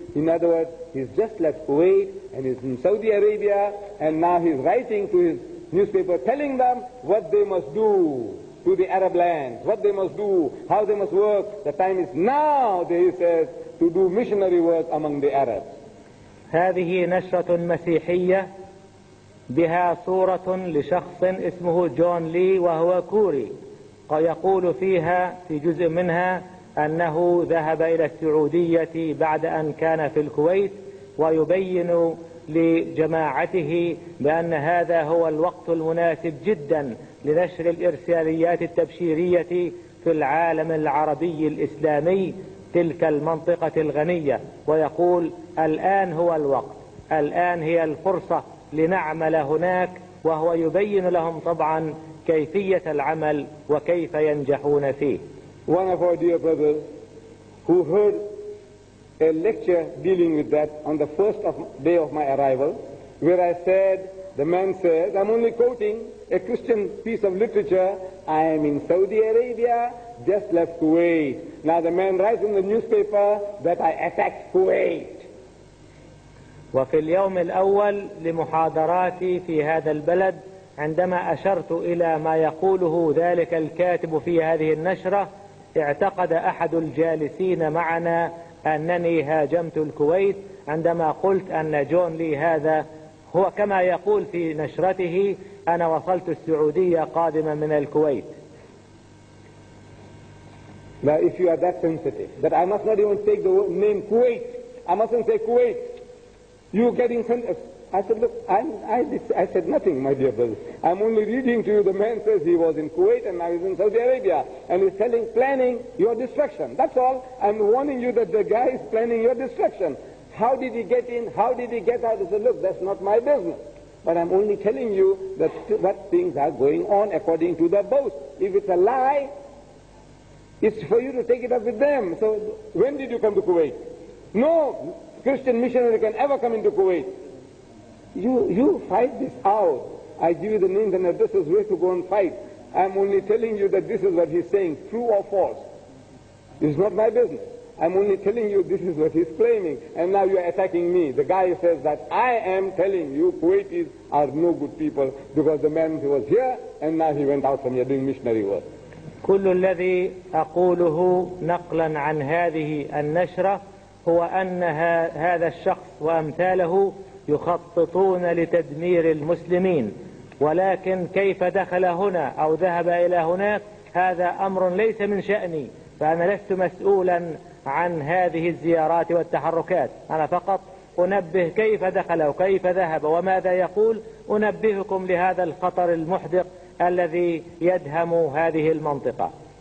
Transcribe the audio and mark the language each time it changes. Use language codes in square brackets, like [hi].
[en] In other words, he's just left Kuwait and he's in Saudi Arabia and now he's writing to his newspaper telling them what they must do to the Arab lands, what they must do, how they must work. The time is now, he says, to do missionary work among the Arabs. [ar] هذه نشرة مسيحية بها صورة لشخص اسمه جون لي وهو كوري ويقول فيها في جزء منها أنه ذهب إلى السعودية بعد أن كان في الكويت ويبين لجماعته بأن هذا هو الوقت المناسب جدا لنشر الإرساليات التبشيرية في العالم العربي الإسلامي تلك المنطقة الغنية ويقول الآن هو الوقت الآن هي الفرصة لنعمل هناك وهو يبين لهم طبعا كيفية العمل وكيف ينجحون فيه. [en] One of our dear brothers who heard a lecture dealing with that on the first of day of my arrival, where I said, the man says, I'm only quoting a Christian piece of literature, I am in Saudi Arabia, just left Kuwait. Now the man writes in the newspaper that I attacked Kuwait. [ar] وفي اليوم الأول لمحاضراتي في هذا البلد عندما أشرت إلى ما يقوله ذلك الكاتب في هذه النشرة اعتقد أحد الجالسين معنا أنني هاجمت الكويت عندما قلت أن جون لي هذا هو كما يقول في نشرته أنا وصلت السعودية قادما من الكويت. [en] Now if you are that sensitive that I must not even take the name Kuwait, I mustn't say Kuwait, you getting sensitive. I said look, I said nothing my dear brother. I'm only reading to you, the man says he was in Kuwait and now he's in Saudi Arabia and he's telling, planning your destruction. That's all. I'm warning you that the guy is planning your destruction. How did he get in? How did he get out? He said, look, that's not my business. But I'm only telling you that what things are going on according to the boast. If it's a lie, it's for you to take it up with them. So when did you come to Kuwait? No Christian missionary can ever come into Kuwait. You fight this out. I give you the names and addresses where to go and fight. I'm only telling you that this is what he's saying, true or false. It's not my business. I'm only telling you this is what he's claiming. And now you're attacking me. The guy says that I am telling you Kuwaitis are no good people because the man who was here and now he went out from here doing missionary work. [ar] كل الذي أقوله نقلا عن هذه النشرة هو أن هذا الشخص وأمثاله يخططون لتدمير المسلمين ولكن كيف دخل هنا أو ذهب إلى هناك هذا أمر ليس من شأني فأنا لست مسؤولا عن هذه الزيارات والتحركات أنا فقط أنبه كيف دخل وكيف ذهب وماذا يقول أنبهكم لهذا الخطر المحدق الذي يدهم هذه المنطقة.